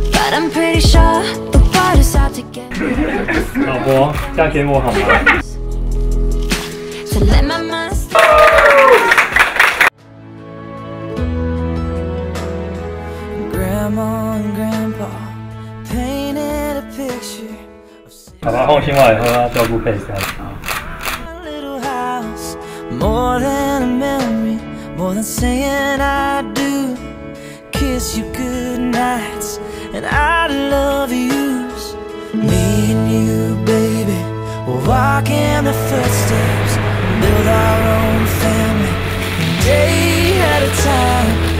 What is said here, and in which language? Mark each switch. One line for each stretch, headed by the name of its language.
English: I'm pretty sure the water's out to get me.
Chinese: 老婆，嫁给我好吗？
English: So let my mind stay. Grandma and Grandpa painted a picture.
Chinese: 好吧，放心吧，以后要照顾佩珊。
English: A little house, more than a memory, more than saying I do. Kiss you good nights. And I love yous. Me and you, baby, we'll walk in the footsteps, build our own family, day at a time.